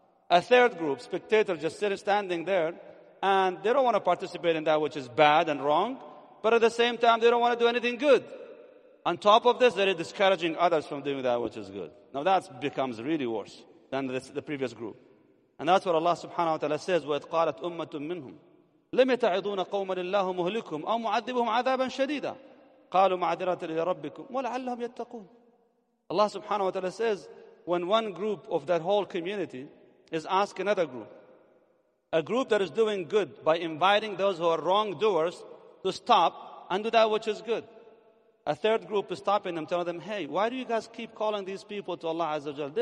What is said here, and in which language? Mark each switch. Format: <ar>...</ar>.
<en>A third group, spectators, just sitting, standing there, and they don't want to participate in that which is bad and wrong, but at the same time, they don't want to do anything good. On top of this, they're discouraging others from doing that which is good. Now that becomes really worse than the previous group. And that's what Allah subhanahu wa ta'ala says,</en> <ar>وَإِذْ قَالَتْ أُمَّةٌ مِّنْهُمْ لِمَ تَعِظُونَ قَوْمًا لِلَّهُ مُهْلِكُمْ أَوْ مُعَذِّبُهُمْ عَذَابًا شَدِيدًا قَالُوا مَعْذِرَةً إِلَى رَبِّكُمْ وَلَعَلَّهُمْ يَتَّقُونَ.</ar> <en>Allah subhanahu wa ta'ala says, when one group of that whole community is asking another group, a group that is doing good by inviting those who are wrongdoers to stop and do that which is good, a third group is stopping them, telling them, hey, why do you guys keep calling these people to Allah Azza wa Jal?</en>